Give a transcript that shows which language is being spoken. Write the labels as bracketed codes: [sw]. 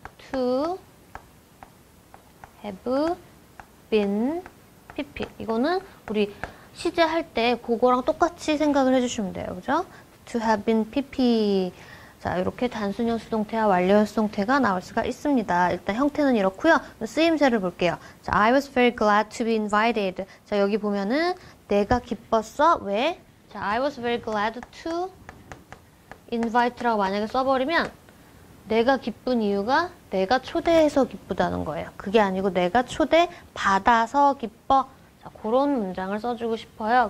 [en] To have been pp. [ko] 이거는 우리 시제 할 때 그거랑 똑같이 생각을 해주시면 돼요. 그죠? [en] To have been pp. [ko] 자, 이렇게 단순형 수동태와 완료형 수동태가 나올 수가 있습니다. 일단 형태는 이렇고요. 쓰임새를 볼게요. [en] 자, I was very glad to be invited. [ko] 자, 여기 보면은 내가 기뻤어. 왜? 자, [en] I was very glad to invite [ko] 라고 만약에 써버리면 내가 기쁜 이유가 내가 초대해서 기쁘다는 거예요. 그게 아니고 내가 초대받아서 기뻐. 자, 그런 문장을 써주고 싶어요.